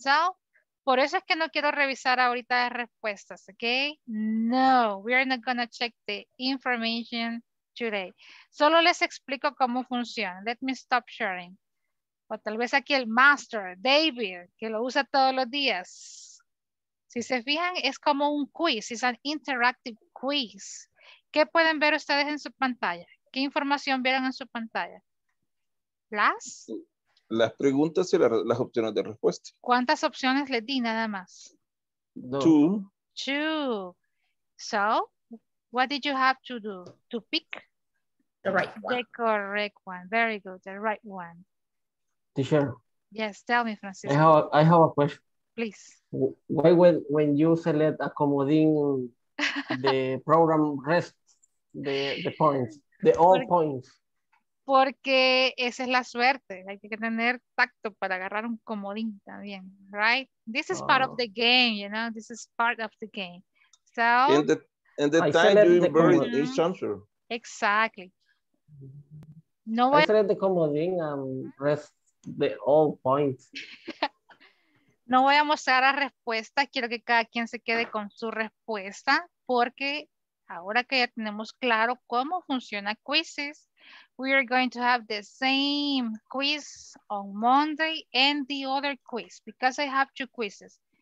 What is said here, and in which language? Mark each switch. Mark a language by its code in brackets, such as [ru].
[es] So, por eso es que no quiero revisar ahorita las respuestas, okay? [en] No, we are not going to check the information today. [es] Solo les explico cómo funciona. [en] Let me stop sharing. [es] O tal vez aquí el master, David, que lo usa todos los días. Si se fijan, es como un quiz. [en] It's an interactive quiz. [es] ¿Qué pueden ver ustedes en su pantalla? ¿Qué información vieron en su pantalla? ¿Las? Las preguntas y las opciones de respuesta. ¿Cuántas opciones les di nada más? No. [en] Two. So, what did you have to do? To pick? The right one. The correct one. Very good. The right one. Teacher. Yes, tell me, Francisco. I have a question. Please. Why when you select accommodating the program rest the points, the all points? [es] Porque esa es la suerte. Hay que tener tacto para agarrar un comodín también, right? [en] This is part of the game, you know? This is part of the game. So, in the time you burn each answer. Exactly. No, I select the comodín and rest the all points. [es] No voy a mostrar la respuesta. Quiero que cada quien se quede con su respuesta porque ahora que ya tenemos claro cómo funciona quizzes, [en] we are going to have the same quiz on Monday and the other quiz because I have two quizzes.